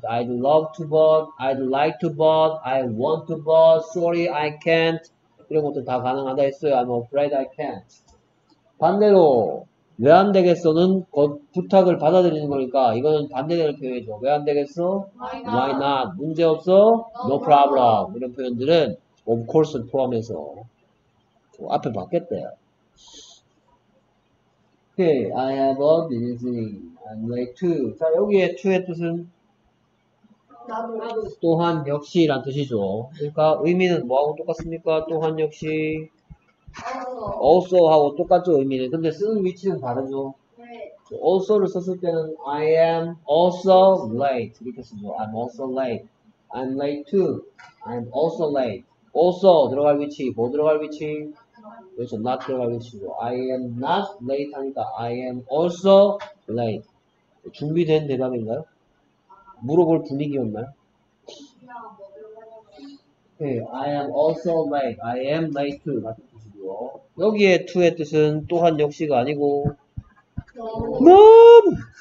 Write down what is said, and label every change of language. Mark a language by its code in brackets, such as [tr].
[en] I'd love to but I'd like to but I want to but sorry I can't. [ko] 이런 것도 다 가능하다 했어요. [en] I'm afraid I can't. [ko] 반대로 왜 안 되겠어는 부탁을 받아들이는 거니까 이거는 반대되는 표현이죠. 왜 안 되겠어? [en] Why not? [ko] 문제 없어? [en] No problem. [ko] 이런 표현들은 [en] of course [ko] 포함해서 앞에 봤겠대요. [en] Okay, I have a busy. I'm late too. [ko] 자, 여기에 to의 뜻은? 나도. 또한 역시 라는 뜻이죠. 그러니까 의미는 뭐하고 똑같습니까? 또한 역시? [en] Also. [ko] Also 하고 똑같죠, 의미는. 근데 쓰는 위치는 다르죠? 네. [en] Also를 썼을 때는 I am also late. [ko] 이렇게 쓰죠. [en] I'm also late. I'm late too. I'm also late. [ko] Also 들어갈 위치, 뭐 들어갈 위치? 그래서 not 들어갈 위치죠. [en] I am not late 하니까 I am also late. [ko] 준비된 대답인가요? 물어볼 분위기였나요? 그냥 뭐 들어가야 [en] Okay. I am also late. I am late too. [ko] 여기에 to의 뜻은 또한 역시가 아니고 너무